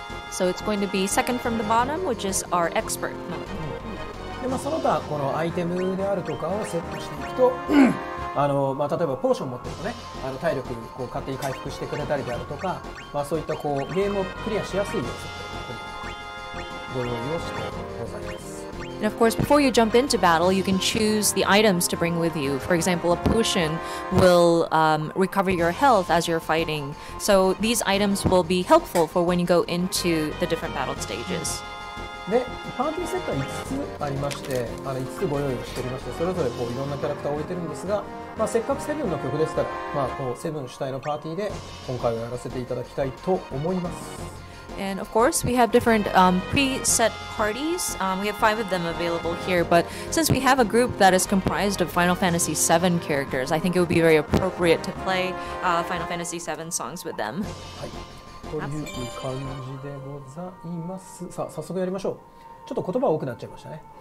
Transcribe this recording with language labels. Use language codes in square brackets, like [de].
[en] So it's going to be second from the bottom, which is our expert mode. [ja] で、その他このアイテムであるとかをセットしていくと、例えばポーション持ってるとね、体力こう勝手に回復してくれたりであるとか、そういったこうゲームをクリアしやすい要素ご用意をしてございます。 [en] And of course, before you jump into battle, you can choose the items to bring with you. For example, a potion will recover your health as you're fighting. So these items will be helpful for when you go into the different battle stages. [ja] で、パーティーセットは5つありまして、5つご用意しておりまして、それぞれこういろんなキャラクターを置いてるんですが、せっかくセブンの曲ですから、こうセブン主体のパーティーで今回はやらせていただきたいと思います。 [en] And of course, we have different preset parties. We have 5 of them available here. But since we have a group that is comprised of Final Fantasy VII characters, I think it would be very appropriate to play Final Fantasy VII songs with them. [ja] はい、という感じでございます。さあ、早速やりましょう。ちょっと言葉多くなっちゃいましたね。